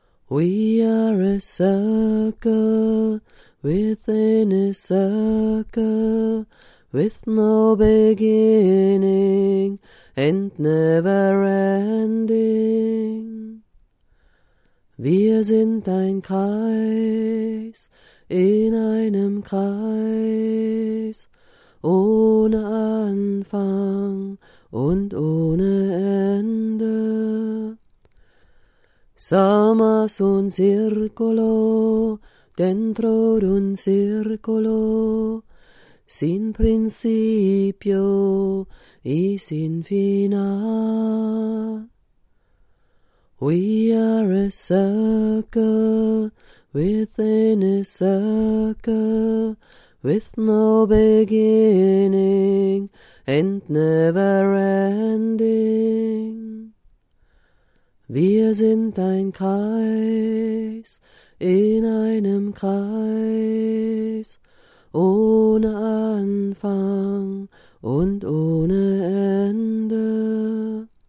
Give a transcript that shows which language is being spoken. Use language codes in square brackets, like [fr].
[en] We are a circle within a circle, with no beginning and never ending. [de] Wir sind ein Kreis in einem Kreis, ohne Anfang und ohne Ende. [es] Somos un circolo dentro de un circolo, sin principio y sin final. [en] We are a circle within a circle, with no beginning and never ending. [de] Wir sind ein Kreis in einem Kreis, ohne Anfang und ohne Ende.